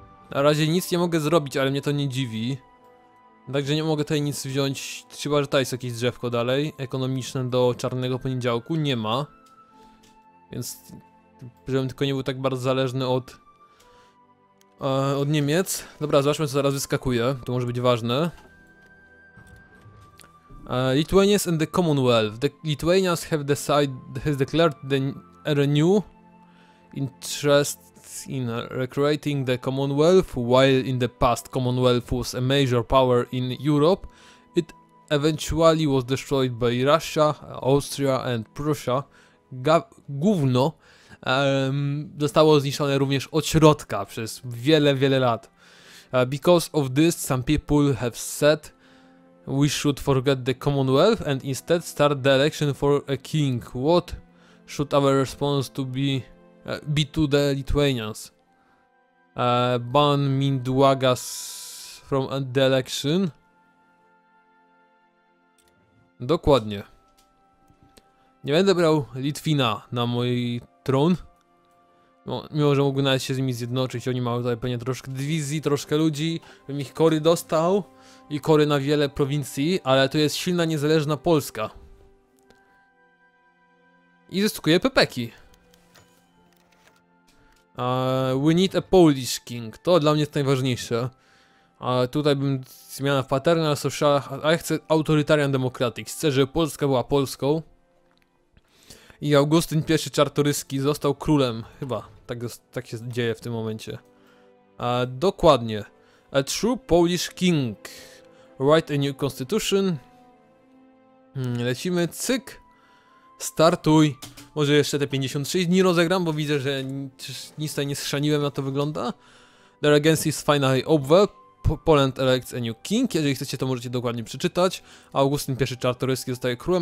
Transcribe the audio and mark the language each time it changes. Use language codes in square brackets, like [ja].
[pl] Na razie nic nie mogę zrobić, ale mnie to nie dziwi. Także nie mogę tutaj nic wziąć, chyba że tutaj jest jakieś drzewko dalej, ekonomiczne do czarnego poniedziałku, nie ma. Więc, żebym tylko nie był tak bardzo zależny od Niemiec. Dobra, zobaczmy co zaraz wyskakuje, to może być ważne. [en] Lithuanians and the Commonwealth. The Lithuanians have declared a new interest in recreating the Commonwealth. While in the past Commonwealth was a major power in Europe, it eventually was destroyed by Russia, Austria and Prussia. [pl] Gówno zostało zniszczone również od środka przez wiele, wiele lat. [en] Because of this, some people have said we should forget the Commonwealth and instead start the election for a king. What should our response to be? Be to the Lithuanians. Ban Mindaugas from the election. [pl] Dokładnie. Nie będę brał Litwina na mój tron. No, mimo, że mógłby nawet się z nimi zjednoczyć. Oni mają tutaj pewnie troszkę dywizji, troszkę ludzi. Bym ich kory dostał. I kory na wiele prowincji. Ale to jest silna, niezależna Polska. I zyskuje pepeki. [en] We need a Polish king. [pl] To dla mnie jest najważniejsze. Tutaj bym zmiana w paternal, social, a ja chcę autoritarian democratic. Chcę, żeby Polska była Polską. I Augustyn I Czartoryski został królem. Chyba tak się dzieje w tym momencie. Dokładnie. [en] A true Polish king. Write a new constitution. [pl] Lecimy, cyk. Startuj. Może jeszcze te 56 dni rozegram, bo widzę, że nic tutaj nie schrzaniłem, na to wygląda. [en] The regency is finally over. Poland elects a new king. [pl] Jeżeli chcecie, to możecie dokładnie przeczytać. Augustyn I Czartoryski zostaje królem.